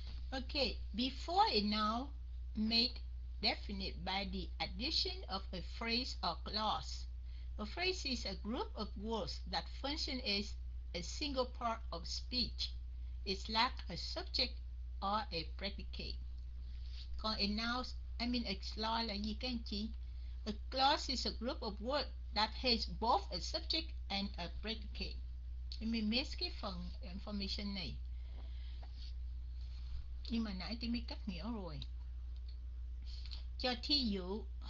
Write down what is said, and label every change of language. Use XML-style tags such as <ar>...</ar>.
<en>Okay, before it now make definite by the addition of a phrase or clause. A phrase is a group of words that function as a single part of speech. It's like a subject or a predicate.</en> <vi>Còn</vi> <en>a noun, I mean a clause</en> <vi>là gì các anh chị?</vi> <en>A clause is a group of words that has both a subject and a predicate.</en> <vi>Em mình miss cái phần information này. Nhưng mà nãy tôi mới cắt nghĩa rồi. Cho thí dụ</vi>